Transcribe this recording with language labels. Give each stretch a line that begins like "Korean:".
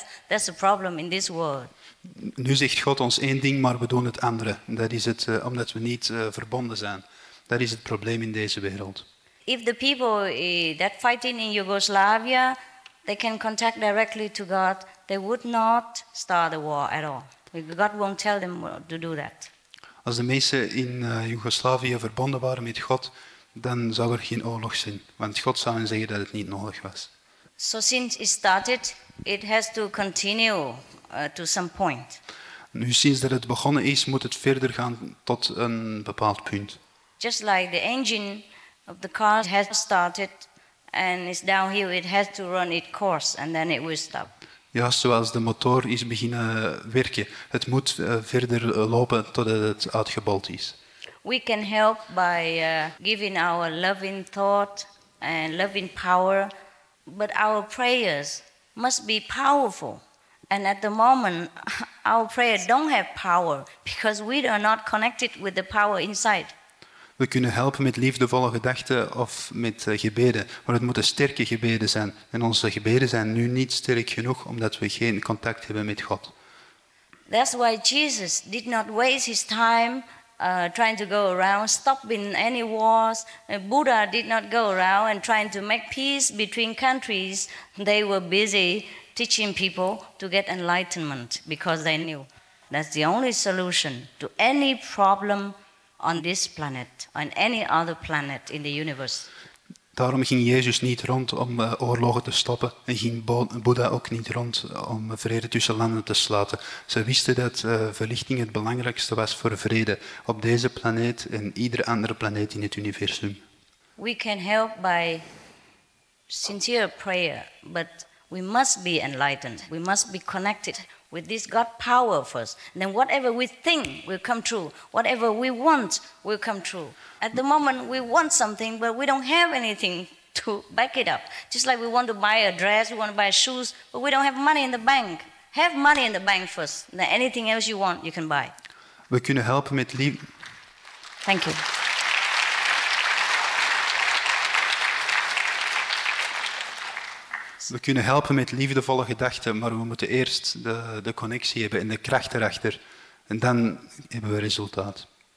English: That's the problem in this world.
Dutch: Nu zegt God ons één ding, maar we doen het andere. Dat is het omdat we niet verbonden zijn. Dat is het probleem in deze wereld.
English: If the people that fighting in Yugoslavia, they can contact directly to God, they would not start the war at all. God won't tell them to do that.
Dutch: Als de mensen in Joegoslavië verbonden waren met God, dan zou er geen oorlog zijn, want God zou hen zeggen dat het niet nodig was.
English: So since it started, it has to continue to some point.
Dutch: Nu sinds dat het begonnen is, moet het verder gaan tot een bepaald punt.
English: Just like the engine of the car has started and is downhill, it has to run its course and then it will stop.
Dutch: Ja, zoals de motor is beginnen werken, het moet verder lopen totdat het uitgebold is.
English: We can help by giving our loving thought and loving power, but our prayers must be powerful. And at the moment, our prayers don't have power because we are not connected with the power inside.
Dutch: We kunnen helpen met liefdevolle gedachten of met gebeden. Maar het moeten sterke gebeden zijn. En onze gebeden zijn nu niet sterk genoeg omdat we geen contact hebben met God.
English: That's why Jesus did not waste his time trying to go around, stopping any wars. Buddha did not go around and trying to make peace between countries. They were busy teaching people to get enlightenment because they knew that's the only solution to any problem on this planet, on any other planet in the universe.
Dutch: Daarom ging Jezus niet rond om oorlogen te stoppen en ging Boeddha ook niet rond om vrede tussen landen te sluiten. Ze wisten dat verlichting het belangrijkste was voor vrede op deze planeet en iedere andere planeet in het universum.
English: We can help by sincere prayer, but we must be enlightened. We must be connected with this God power first. And then whatever we think will come true. Whatever we want will come true. At the moment, we want something, but we don't have anything to back it up. Just like we want to buy a dress, we want to buy shoes, but we don't have money in the bank. Have money in the bank first. Then anything else you want, you can buy.
Dutch: We kunnen helpen met liefde.
English: Thank you.
Dutch: We kunnen helpen met liefdevolle gedachten, maar we moeten eerst de connectie hebben en de kracht erachter. En dan hebben we resultaat.